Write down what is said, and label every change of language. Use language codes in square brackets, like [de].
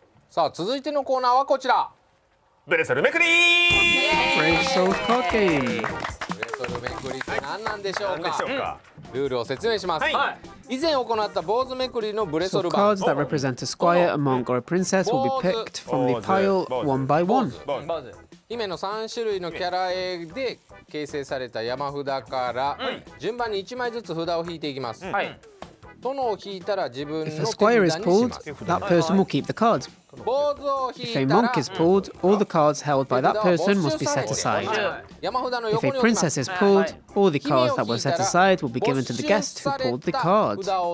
[ja] さあ、続いてのコーナーはこちら。ブレソルめくり。ブレソルカーゲーム。ブレソルめくりって何なんでしょうか。はい、ルールを説明します。はい、以前行った坊主めくりのブレソル版。 [en] So、cards that represent a squire, a monk, or a princess will be picked from the pile one by one. [ja] 姫の3種類のキャラ絵で形成された山札から順番に1枚ずつ札を引いていきます。はい、殿を引いたら自分の手札にします。 [en] If a squire is pulled, that person will keep the cards. If a monk is pulled, all the cards held by that person must be set aside. If a princess is pulled, all the cards that were set aside will be given to the guest who pulled the cards.